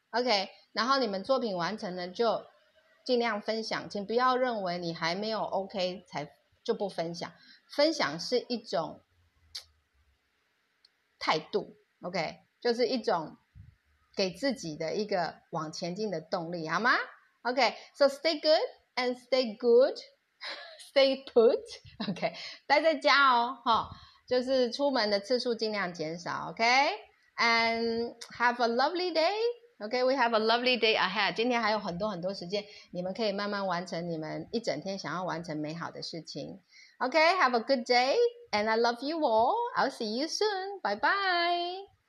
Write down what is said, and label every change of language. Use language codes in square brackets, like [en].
[zh] OK， 然后你们作品完成了就尽量分享，请不要认为你还没有 OK 才就不分享，分享是一种态度 ，OK， 就是一种给自己的一个往前进的动力，好吗 ？OK， [en] so stay good and stay good。 Stay put, OK， [zh] 待在家哦，哈，就是出门的次数尽量减少 [en] ，OK， and have a lovely day, OK， we have a lovely day ahead。 [zh] 今天还有很多很多时间，你们可以慢慢完成你们一整天想要完成美好的事情。 [en] OK, have a good day, and I love you all. I'll see you soon. Bye bye.